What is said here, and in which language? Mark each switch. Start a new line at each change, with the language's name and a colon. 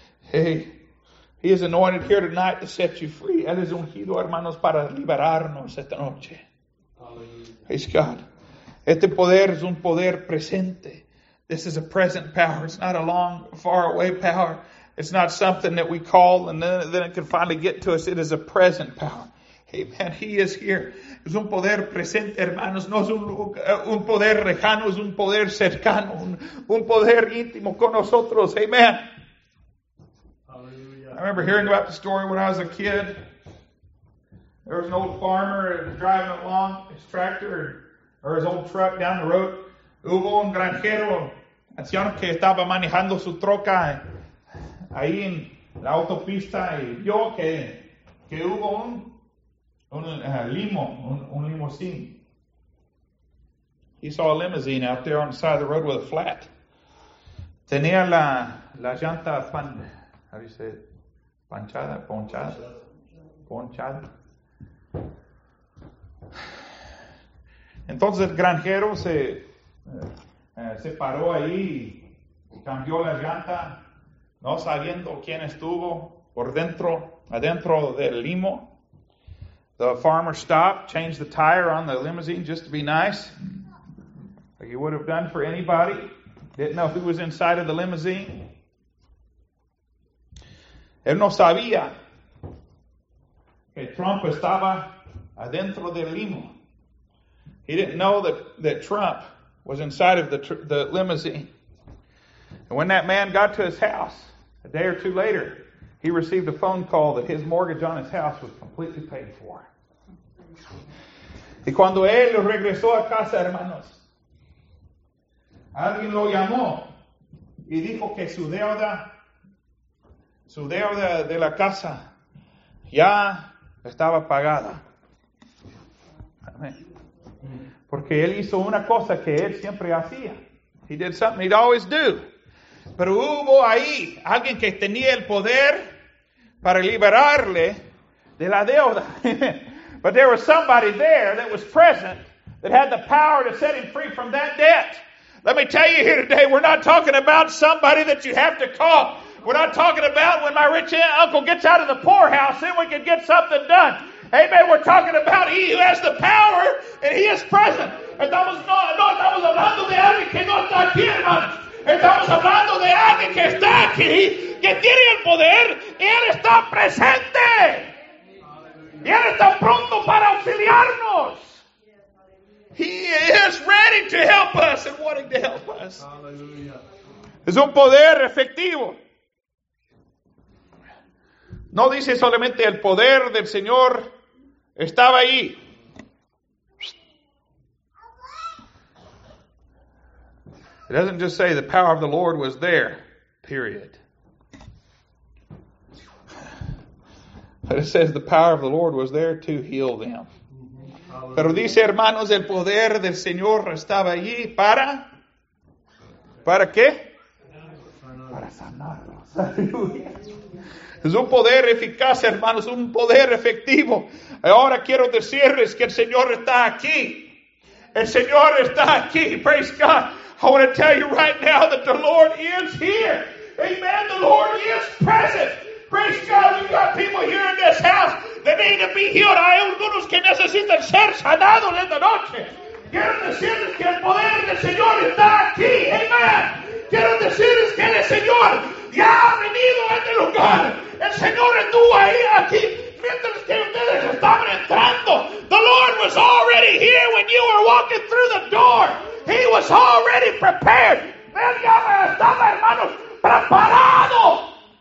English: Hey, he is anointed here tonight to set you free.
Spanish: Él es ungido, hermanos, para liberarnos esta noche.
English: Praise God.
Spanish: Este poder es un poder presente.
English: This is a present power. It's not a long, far away power. It's not something that we call and then it can finally get to us. It is a present power. Amen. He is here.
Spanish: Es un poder presente, hermanos. No es un poder lejano. Es un poder cercano. Un poder íntimo con nosotros. Amen.
English: Hallelujah. I remember hearing about the story when I was a kid. There was an old farmer driving along his tractor or his old truck down the road.
Spanish: Hubo un granjero, anciano, que estaba manejando su troca ahí en la autopista y vio que hubo un limousine.
English: He saw a limousine out there on the side of the road with a flat.
Spanish: Tenía la llanta pan,
English: how do you say it?
Spanish: Panchada, ponchada. Entonces el granjero se paró ahí y cambió la llanta, no sabiendo quién estuvo por dentro, adentro del limo.
English: The farmer stopped, changed the tire on the limousine just to be nice, like he would have done for anybody. Didn't know who was inside of the limousine.
Spanish: Él no sabía que Trump estaba adentro del limo.
English: He didn't know that Trump was inside of the limousine. And when that man got to his house, a day or two later, he received a phone call that his mortgage on his house was completely paid for.
Spanish: Y cuando él regresó a casa, hermanos, alguien lo llamó y dijo que su deuda de la casa ya estaba pagada. Amén. Porque él hizo una cosa que él siempre hacía.
English: He did something he'd always do.
Spanish: Pero hubo ahí alguien que tenía el poder para liberarle de la deuda.
English: But there was somebody there that was present that had the power to set him free from that debt. Let me tell you here today, we're not talking about somebody that you have to call. We're not talking about when my rich uncle gets out of the poorhouse, then we can get something done. Amen. We're talking about he who has the power and he is present.
Spanish: Estamos hablando de alguien que no está aquí, hermanos. Estamos hablando de alguien que está aquí, que tiene el poder y él está presente. Y él está pronto para auxiliarnos.
English: He is ready to help us and wanting to help us. Hallelujah.
Spanish: Es un poder efectivo. No dice solamente el poder del Señor estaba ahí.
English: It doesn't just say the power of the Lord was there, period. But it says the power of the Lord was there to heal them.
Spanish: Pero dice, hermanos, el poder del Señor estaba allí para... ¿Para qué? Para sanarlos. Es un poder eficaz, hermanos, un poder efectivo. Ahora quiero decirles que el Señor está aquí. El Señor está aquí,
English: praise God. I want to tell you right now that the Lord is here. Amen, the Lord is present. Praise God, we've got people here in this house that need to be healed.
Spanish: Hay algunos que necesitan ser sanados esta noche. Quiero decirles que el poder del Señor está aquí. Amen. Quiero decirles que el Señor ya ha venido a este lugar. El Señor estuvo ahí, aquí, mientras que ustedes estaban entrando.
English: The Lord was already here when you were walking through the door. He was already prepared.
Spanish: Él ya estaba, hermanos, preparado.